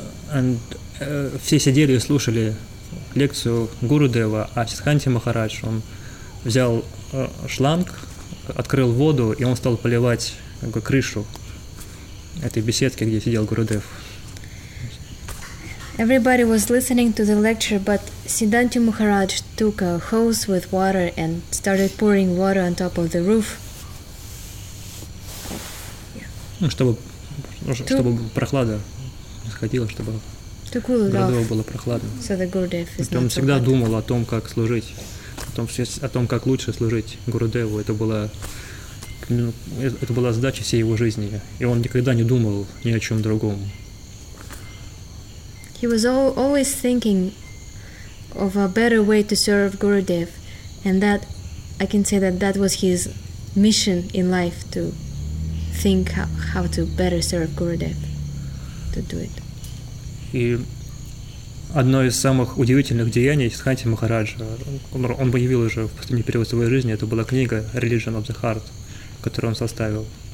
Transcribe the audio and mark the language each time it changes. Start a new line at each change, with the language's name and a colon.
English: And
Russian: все сидели и слушали лекцию Гурудева, а Сиддханти Махарадж, он взял шланг, открыл воду, и он стал поливать как бы крышу этой беседки, где сидел Гурудев.
English: Everybody was listening to the lecture, but Siddhanti Maharaj took a hose with water and started pouring water on top of the roof.
Russian: Чтобы прохлада сходила, чтобы Гурудеву было прохладно.
English: So the Gurudev is not so hot.
Russian: Он всегда думал о том, как служить, о том, как лучше служить Гурудеву. Это была, ну, это была задача всей его жизни, и он никогда не думал ни о чем другом.
English: He was always thinking of a better way to serve Gurudev, and that I can say that that was his mission in life, to think how to better serve Gurudev, to do it.
Russian: И одно из самых удивительных деяний Сиддханти Махараджа, он появил уже в последний период своей жизни, это была книга Religion of the Heart, которую он составил.